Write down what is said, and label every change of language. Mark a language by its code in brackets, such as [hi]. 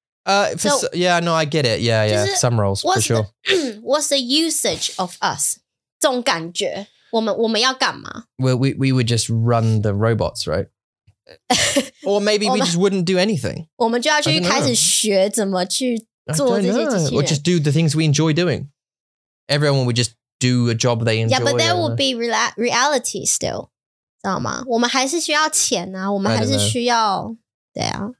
[en] No, I get it. Yeah, yeah, some roles, for sure. What's the usage of us? [zh] 这种感觉, 我们要干嘛? [en] We would just run the robots, right? Or maybe we just wouldn't do anything. [zh] 我们就要去开始学怎么去做这些机器人。 [en] Or just do the things we enjoy doing. Everyone would just do a job they enjoy. Yeah, but there would be reality still. [zh] 知道吗? 我们还是需要钱啊, 我们还是需要, 对啊,